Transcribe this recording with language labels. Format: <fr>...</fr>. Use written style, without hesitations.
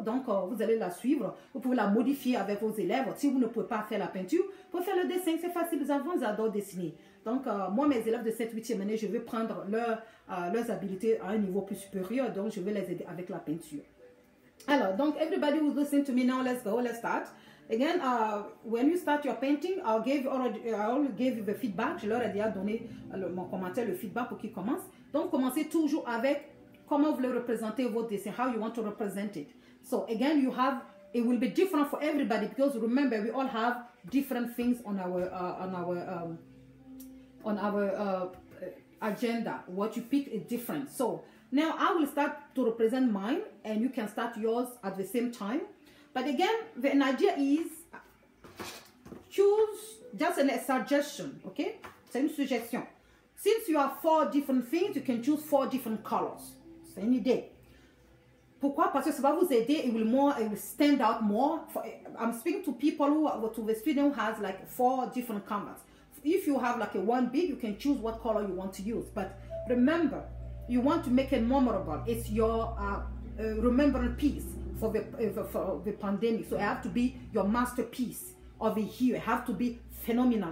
<fr>Donc, vous allez la suivre. Vous pouvez la modifier avec vos élèves. Si vous ne pouvez pas faire la peinture, vous pouvez faire le dessin. C'est facile. Les enfants, ils adorent dessiner. Donc, moi, mes élèves de 7-8e année, je vais prendre leurs habiletés à un niveau plus supérieur. Donc, je vais les aider avec la peinture. Alors, donc,</fr> <en>everybody who's listening to me now, let's go, let's start. Again, when you start your painting, I already gave you the feedback.</en> <fr>Je leur ai déjà donné mon commentaire, le feedback pour qu'ils commencent. Donc, commencez toujours avec comment vous voulez représenter votre dessin,</fr> <en>how you want to represent it. So, again, it will be different for everybody because remember, we all have different things on our agenda. What you pick is different. So, now I will start to represent mine and you can start yours at the same time. But again, the idea is choose just a suggestion, okay?</en> <fr>C'est une suggestion.</fr> <en>Since you have four different things, you can choose four different colors.</en> <fr>C'est une idée. Pourquoi? Parce que ça va vous aider,</fr> <en>it will stand out more. I'm speaking to people to the student who has like four different colors. If you have like a one big, you can choose what color you want to use. But remember, you want to make it memorable. It's your remembrance piece for the pandemic. So it has to be your masterpiece of the year. It has to be phenomenal.</en>